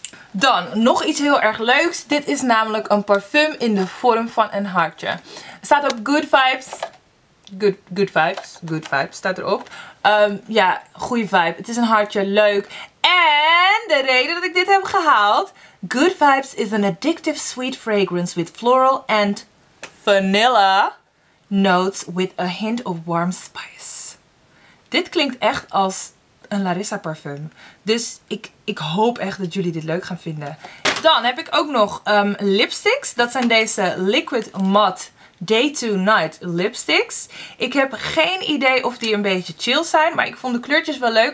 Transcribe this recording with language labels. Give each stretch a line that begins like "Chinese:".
Dutch: Dan nog iets heel erg leuks. Dit is namelijk een parfum in de vorm van een hartje. Het staat op Good Vibes. Good Vibes staat erop. Ja, goede vibe. Het is een hartje, leuk. En de reden dat ik dit heb gehaald.
English: Good Vibes is an addictive sweet fragrance with floral and vanilla notes with a hint of warm spice.
Dutch: Dit klinkt echt als een Larissa parfum. Dus ik hoop echt dat jullie dit leuk gaan vinden. Dan heb ik ook nog lipsticks. Dat zijn deze Liquid Matte Day to Night lipsticks. Ik heb geen idee of die een beetje chill zijn. Maar ik vond de kleurtjes wel leuk.